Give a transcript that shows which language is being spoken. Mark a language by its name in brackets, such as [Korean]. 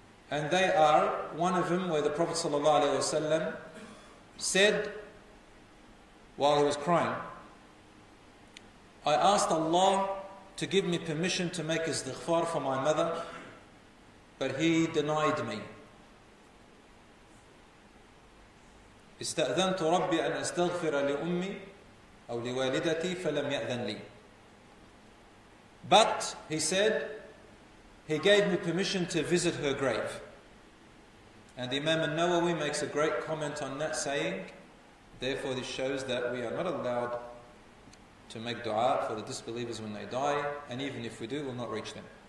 [English] And they are one of them where the Prophet ﷺ said while he was crying, I asked Allah to give me permission to make istighfar for my mother, but he denied me. [Arabic] استأذنت ربي أن أستغفر لأمي أو لوالدتي فلم يأذن لي. [English] But, he said, he gave me permission to visit her grave. And Imam al-Nawawi makes a great comment on that, saying, therefore this shows that we are not allowed to make dua for the disbelievers when they die, and even if we do, we'll not reach them.